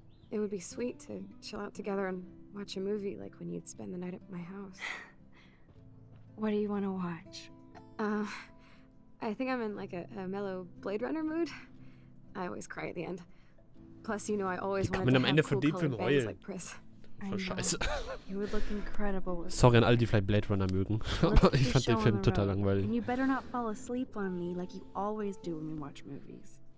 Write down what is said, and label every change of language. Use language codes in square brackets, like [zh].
[en] It would be sweet to chill out together and watch a movie like when you'd spend the night at my house. What do you want to watch? I think I'm in like a mellow Blade Runner mood. I always cry at the end. Plus, you know, I always want to have cool colored bangs like Chris. [de] Sorry an all die vielleicht Blade Runner mögen, aber ich fand den Film total langweilig. [en] And you better not fall asleep on me like you always do when we watch movies.